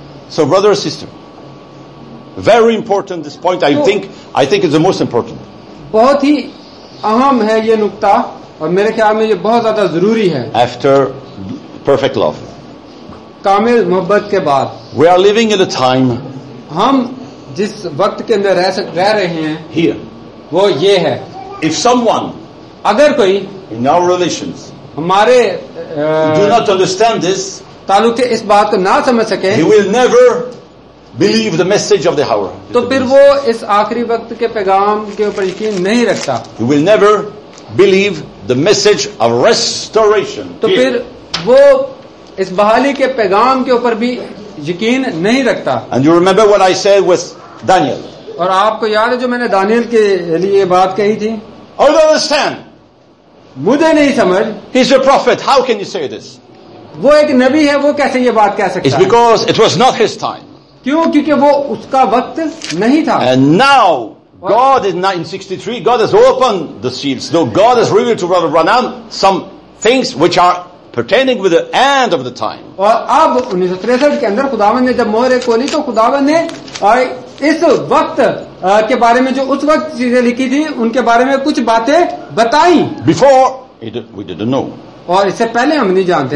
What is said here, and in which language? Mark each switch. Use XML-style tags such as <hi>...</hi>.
<en>So, brother or sister, very important this point. I think it's the most important.</en> <ur>بہت ہی اہم ہے یہ نقطہ اور میرے خیال میں یہ بہت زیادہ ضروری ہے.</ur> <en>After perfect love.</en> <ur>کامل محبت کے بعد.</ur> <en>We are living in a time.</en> <ur>ہم جس وقت کے اندر رہ رہے ہیں.</ur> <en>Here.</en> <ur>وہ یہ ہے.</ur> <en>If someone.</en> <ur>اگر کوئی</ur> <en>in our relations</en> <ur>ہمارے</ur> <en>do not understand this</en> <ur>تعلق تھے اس بات کو نہ سمجھ سکے</ur> <en>he will never believe the message of the hour</en> <ur>تو پھر وہ اس آخری وقت کے پیغام کے اوپر یقین نہیں رکھتا</ur> <en>he will never believe the message of restoration</en> <ur>تو پھر وہ اس بحالی کے پیغام کے اوپر بھی یقین نہیں رکھتا</ur> <en>and you remember what I said with Daniel</en> <ur>اور آپ کو یاد ہے جو میں نے دانیل کے لیے بات کہی تھی</ur> <en>I don't understand</en> <ur>مجھے نہیں سمجھ</ur> <en>he's a prophet how can you say this</en> <ur>وہ ایک نبی ہے وہ کیسے یہ بات کہہ سکتا</ur> <en>it's because it was not his time</en> <ur>کیوں کیونکہ وہ اس کا وقت نہیں تھا</ur> <en>and now God in 1963 God has opened the seals though God has revealed to Brother Branham some things which are pertaining with the end of the time</en> <ur>اور اب 1963 کے اندر خداوند نے جب مہر کھولی تو خداوند نے اس وقت کے بارے میں جو اس وقت چیزیں لکھی تھی ان کے بارے میں کچھ باتیں بتائیں</ur> <en>before we didn't know</en> <ur>اور اس سے پہلے ہم نہیں جانتے</ur>